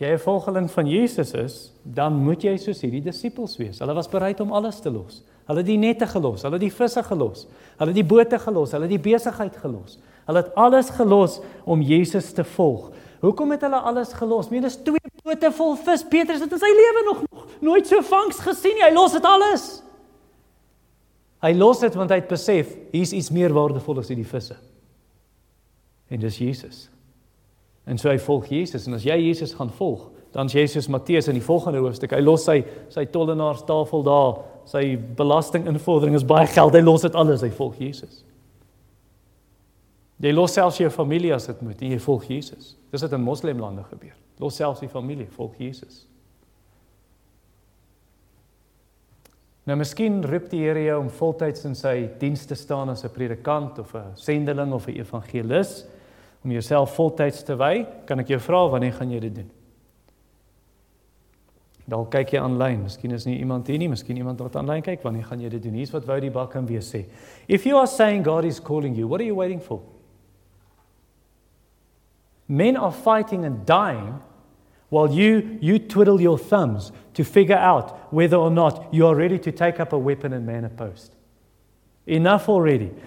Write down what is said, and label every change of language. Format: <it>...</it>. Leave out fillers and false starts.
<af>jy 'n volgeling van Jesus is, dan moet jy soos hierdie disippels wees. Hulle was bereid om alles te los. Hulle het die nette gelos, hulle het die visse gelos, hulle het die bote gelos, hulle het die besigheid gelos. Hulle het alles gelos om Jesus te volg. Hoekom het hulle alles gelos? Meer as 2 bote vol vis. Petrus het in sy lewe nog nooit so vangs gesien nie. Hy los dit alles. Hy los dit want hy het besef, hier's iets meer waardevol as die visse. En dis Jesus. En so hy volg Jesus. En as jy Jesus gaan volg, dan is jy soos Matteus in die volgende hoofstuk. Hy los sy tollenaars tafel daar. Sy belastinginvordering is baie geld. Hy los dit alles. Hy volg Jesus. Jy los selfs jou familie as dit moet en jy volg Jesus. Dis wat in moslimlande gebeur. Los selfs die familie, volg Jesus. Nou, miskien roep die Here jou om voltyds in sy diens te staan as 'n predikant of 'n sendeling of 'n evangelis, om jouself voltyds te wy, kan ek jou vra, wanneer gaan jy dit doen? Dalk kyk jy aanlyn, miskien is nie iemand hier nie, miskien iemand wat aanlyn kyk, wanneer gaan jy dit doen? Hier is wat wou die bak en weer sê.</af> <en>If you are saying God is calling you, what are you waiting for? Men are fighting and dying while you twiddle your thumbs to figure out whether or not you are ready to take up a weapon and man a post. Enough already.</en>